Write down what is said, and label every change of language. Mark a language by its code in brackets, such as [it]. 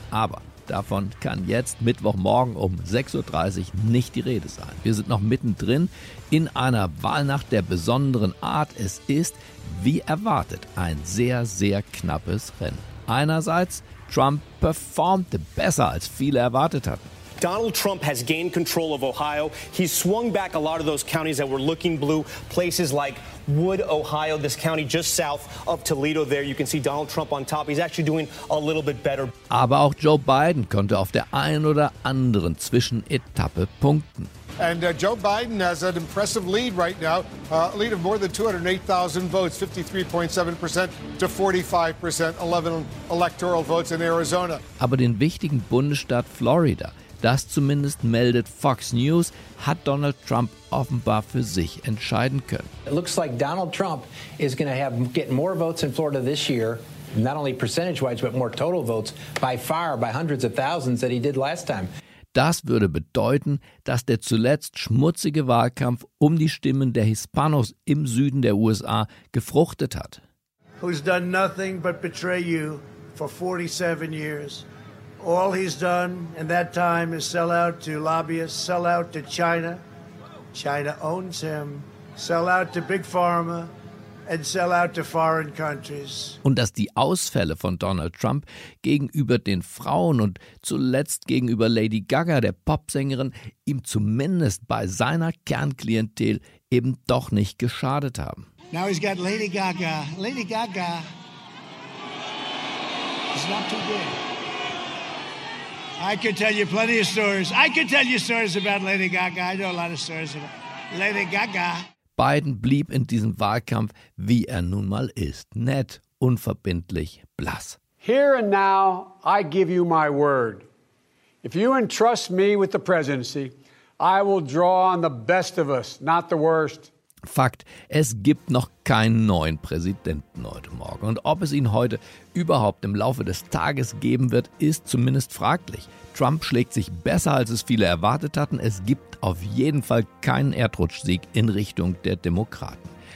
[de] Aber davon kann jetzt Mittwochmorgen um 6.30 Uhr nicht die Rede sein. Wir sind noch mittendrin in einer Wahlnacht der besonderen Art. Es ist, wie erwartet, ein sehr, sehr knappes Rennen. Einerseits, Trump performte besser, als viele erwartet hatten. [en] Donald Trump has gained control of Ohio. He swung back a lot of those counties that were looking blue. Places like Wood, Ohio, this county just south of Toledo there. You can see Donald Trump on top. He's actually doing a little bit better. [de] Aber auch Joe Biden konnte auf der einen oder anderen Zwischenetappe punkten. [en] And Joe Biden has an impressive lead right now, a lead of more than 208,000 votes, 53.7% to 45%, 11 electoral votes in Arizona. [de] Aber den wichtigen Bundesstaat Florida, das zumindest meldet Fox News, hat Donald Trump offenbar für sich entscheiden können. [en] It looks like Donald Trump is going to get more votes in Florida this year, not only percentage-wise, but more total votes by far, by hundreds of thousands that he did last time. [de] Das würde bedeuten, dass der zuletzt schmutzige Wahlkampf um die Stimmen der Hispanos im Süden der USA gefruchtet hat. [en] Who's done nothing but betray you for 47 years. All he's done in that time is sell out to lobbyists, sell out to China. China owns him. Sell out to Big Pharma and sell out to foreign countries. [de] Und dass die Ausfälle von Donald Trump gegenüber den Frauen und zuletzt gegenüber Lady Gaga, der Popsängerin, ihm zumindest bei seiner Kernklientel eben doch nicht geschadet haben. [en] Now he's got Lady Gaga. Lady Gaga is not too good. I could tell you plenty of stories. I could tell you stories about Lady Gaga. I know a lot of stories about Lady Gaga. [de] Biden blieb in diesem Wahlkampf, wie er nun mal ist, nett, unverbindlich, blass. [en] Here and now, I give you my word. If you entrust me with the presidency, I will draw on the best of us, not the worst. [de] Fakt, es gibt noch keinen neuen Präsidenten heute Morgen. Und ob es ihn heute überhaupt im Laufe des Tages geben wird, ist zumindest fraglich. Trump schlägt sich besser, als es viele erwartet hatten. Es gibt auf jeden Fall keinen Erdrutschsieg in Richtung der Demokraten.